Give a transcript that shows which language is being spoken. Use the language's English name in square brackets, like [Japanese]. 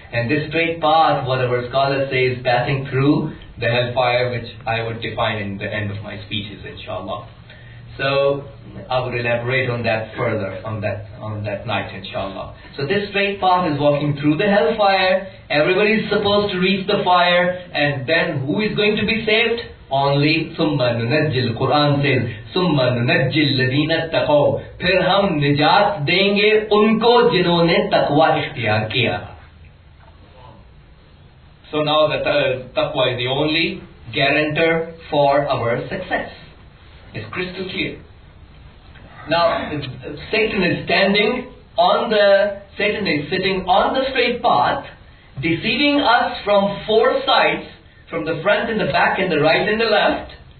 [English] And this straight path, whatever scholars say, is passing through the hellfire, which I would define in the end of my speeches, inshallah. So I would elaborate on that further on that night, inshallah. So this straight path is walking through the hellfire. Everybody is supposed to reach the fire. And then who is going to be saved? [Arabic] Only ثُمَّ نُنَجِّ الْقُرْآنِ سَيْلْ ثُمَّ نُنَجِّ الَّذِينَ اتَّقَوْا. [Urdu] پھر ہم نجات دیں گے ان کو جنہوں نے تقوی اختیار کیا. [English] So now that taqwa is the only guarantor for our success. It's crystal clear. Now, Satan is sitting on the straight path, deceiving us from four sides, from the front and the back and the right and the left.